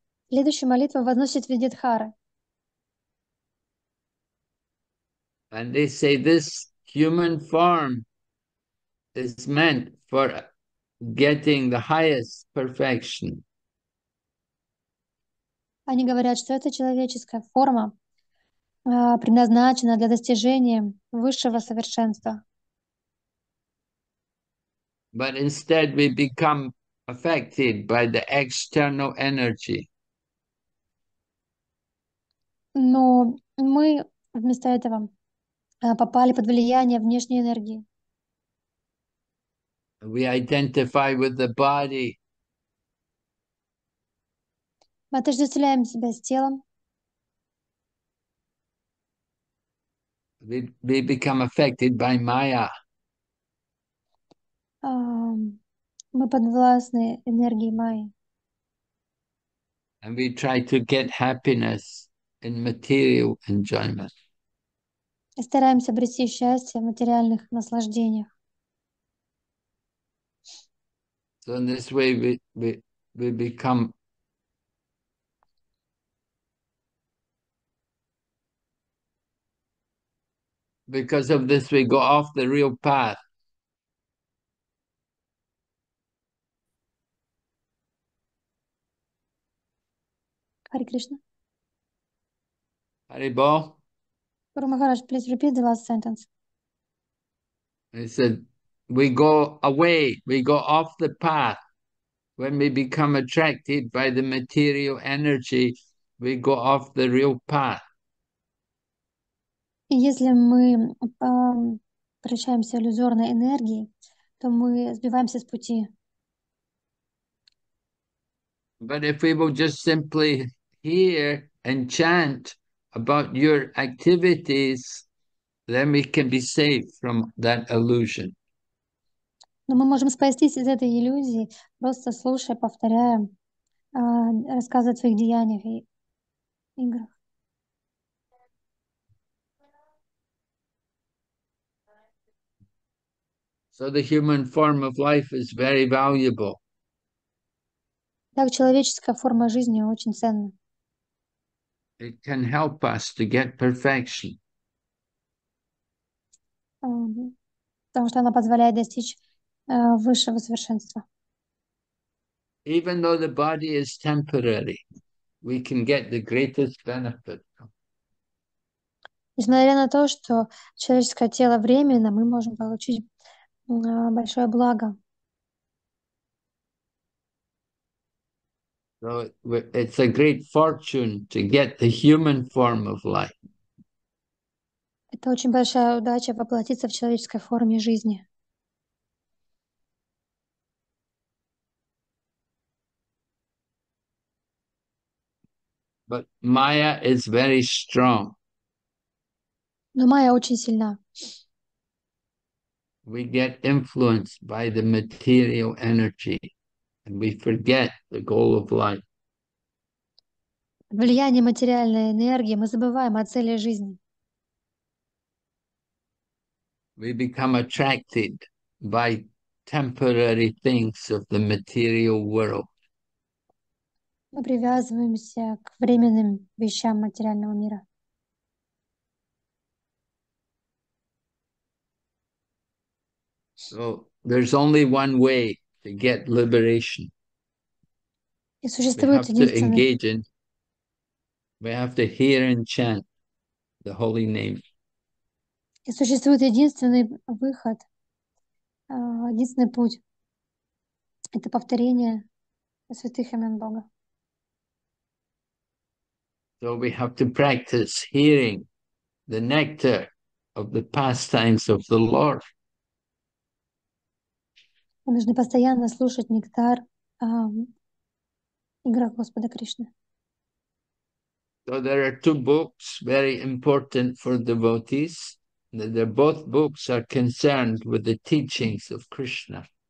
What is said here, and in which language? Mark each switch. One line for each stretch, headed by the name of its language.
Russian: Следующая молитва возносит Видьядхара.
English: And they say this human form is meant for getting the highest perfection.
Russian: Они говорят, что эта человеческая форма предназначена для достижения высшего совершенства.
English: But instead we become affected by the external energy.
Russian: Но мы вместо этого попали под влияние внешней энергии.
English: We identify with the body.
Russian: Мы отождествляем себя с телом.
English: We become affected by Maya.
Russian: Мы подвластны энергии Майи.
English: And we try to get happiness in material enjoyment.
Russian: И стараемся обрести счастье в материальных наслаждениях.
English: So in this way we become because of this we go off the real path.
Sanskrit: Харе Кришна. Hari Bol.
English: Гуру Махарадж, please repeat the last sentence. He said, we go away, we go off the path. When we become attracted by the material energy, we go off the real path.
Russian: И если мы превращаемся в иллюзорной энергии, то мы сбиваемся с пути.
English: But if we will just simply hear and chant about your activities, then we can be safe from that illusion.
Russian: Но мы можем спастись из этой иллюзии, просто слушая, повторяя, рассказывая о своих деяниях и играх.
English: So the human form of life is very valuable.
Russian: Так, человеческая форма жизни очень ценна.
English: It can help us to get perfection.
Russian: Потому что она позволяет достичь высшего совершенства.
English: Even though the body is temporary, we can get the greatest benefit.
Russian: Несмотря на то, что человеческое тело временно, мы можем получить большое благо.
English: So it's a great fortune to get the human form of life.
Russian: Это очень большая удача воплотиться в человеческой форме жизни.
English: But Maya is very strong.
Russian: Но майя очень сильна.
English: We get influenced by the material energy. And we forget the goal of life.
Russian: Влияние материальной энергии, мы забываем о цели жизни.
English: We become attracted by temporary things of the material world.
Russian: Мы привязываемся к временным вещам материального мира.
English: So there's only one way to get liberation.
Russian: И
English: We
Russian: существует
English: have to
Russian: единственный.
English: engage in, we have to hear and chant the holy name.
Russian: И существует единственный выход, единственный путь. Это повторение святых имен Бога.
English: So we have to practice hearing the nectar of the pastimes of the Lord.
Russian: Мы должны постоянно слушать нектар, игра Господа Кришны.
English: So there are two books very important for devotees. They're both books are concerned with the teachings of Krishna.